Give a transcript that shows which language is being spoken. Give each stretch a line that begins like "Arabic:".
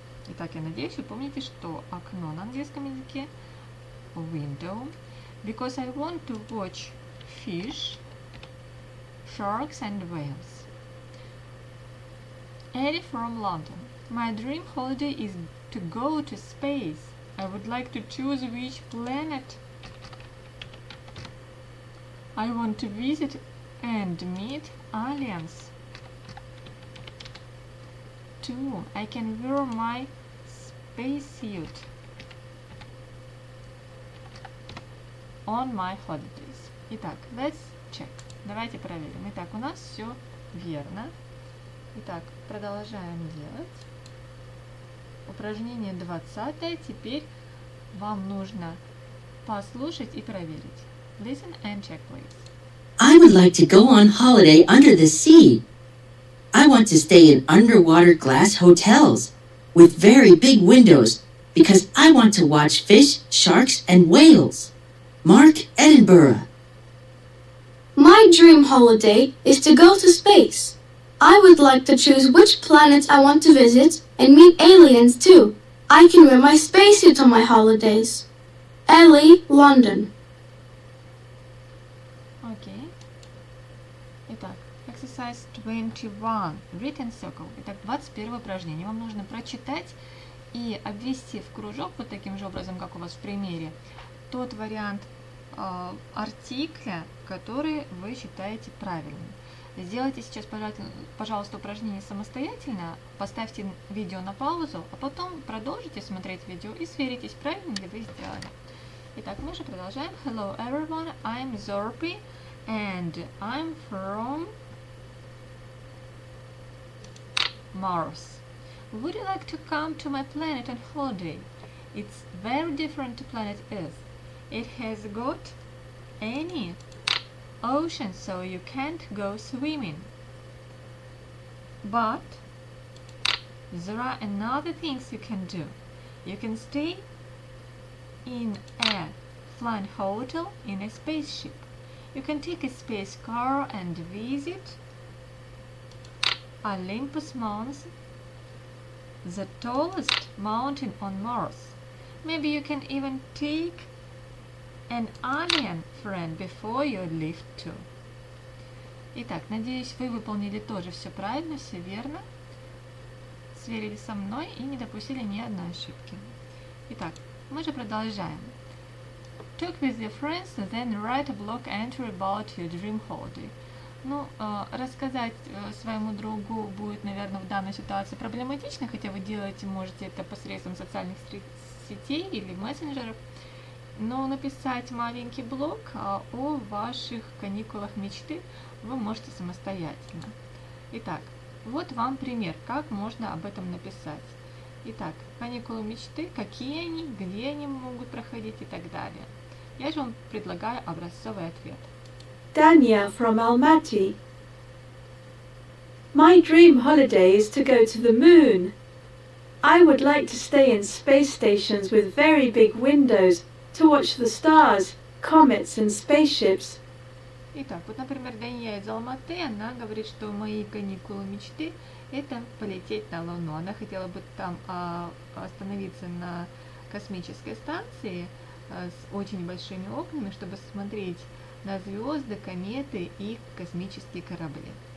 Russian: Итак, я надеюсь, вы помните, что окно на английском языке window.
English: Because I want to watch fish, sharks and whales. Eddie from London. My dream holiday is to go to space. I would like to choose which planet I want to visit and meet aliens. Two, I can wear my space suit on my holidays.
Russian: Итак,
English: let's check.
Russian: Давайте проверим. Итак, у нас все верно. Итак, продолжаем делать. Упражнение 20. Теперь вам нужно послушать и проверить.
English: Listen and check, please. I would like to go on holiday under the sea. I want to stay in underwater glass hotels with very big windows because I want to watch fish, sharks, and whales. Mark, Edinburgh. My dream holiday is to go to space. I would like to choose which planets I want to visit and meet aliens too. I can wear my spacesuit on my holidays. Ellie, London. Exercise 21. Written circle.
Russian: Итак, 21 упражнение. Вам нужно прочитать и обвести в кружок вот таким же образом, как у вас в примере, тот вариант артикля, который вы считаете правильным. Сделайте сейчас, пожалуйста, упражнение самостоятельно. Поставьте видео на паузу, а потом продолжите смотреть видео и сверитесь, правильно ли вы сделали. Итак, мы же продолжаем.
English: Hello everyone, I'm Zorpi and I'm from Mars. Would you like to come to my planet on holiday? It's very different to planet Earth. It has got any ocean, so you can't go swimming. But there are another things you can do. You can stay in a flying hotel in a spaceship. You can take a space car and visit Olympus Mons, the tallest mountain on Mars. Maybe you can even take an alien friend before you leave too.
Russian: Итак, надеюсь, вы выполнили тоже все правильно, все верно. Сверились со мной и не допустили ни одной ошибки. Итак, мы же продолжаем.
English: Talk with your friends, then write a blog entry about your dream holiday.
Russian: Ну, рассказать своему другу будет, наверное, в данной ситуации проблематично, хотя вы делаете, можете это посредством социальных сетей или мессенджеров. Но написать маленький блог о ваших каникулах мечты вы можете самостоятельно. Итак, вот вам пример, как можно об этом написать. Итак, каникулы мечты, какие они, где они могут проходить и так далее. Я же вам предлагаю образцовый ответ.
English: Tanya from Almaty. My dream holiday is to go to the moon. I would like to stay in space stations with very big windows to watch the stars, comets and spaceships.
Russian: Итак, вот, например, Дания из Алматы, она говорит, что мои каникулы мечты – это полететь на Луну. Она хотела бы там остановиться на космической станции с очень большими окнами, чтобы смотреть на звезды, кометы и космические корабли.